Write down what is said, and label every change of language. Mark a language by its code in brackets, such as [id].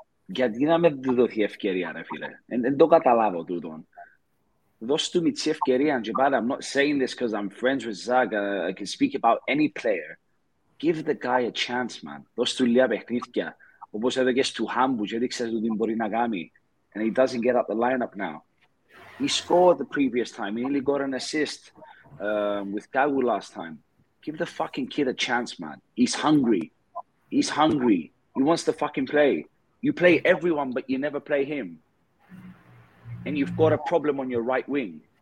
[el] Γιατί να με δώσει ευκαιρία, ρε φίλε. Δεν το καταλάβω τούτον. Δώσ' του μητσι ευκαιρία. [en] I'm not saying this because I'm friends with Zaga. I can speak about any player. Give the guy a chance, man. [el] Δώσ' του λίγα παιχνίδια. Όπως έδωκες του Χάμπου και έδειξες ότι μπορεί να κάνει. [en] And he doesn't get up the lineup now. He scored the previous time. He only got an assist with Kagu last time. give the fucking kid a chance, man. He's hungry. He's hungry. He wants to fucking play. You play everyone, but you never play him. And you've got a problem on your right wing.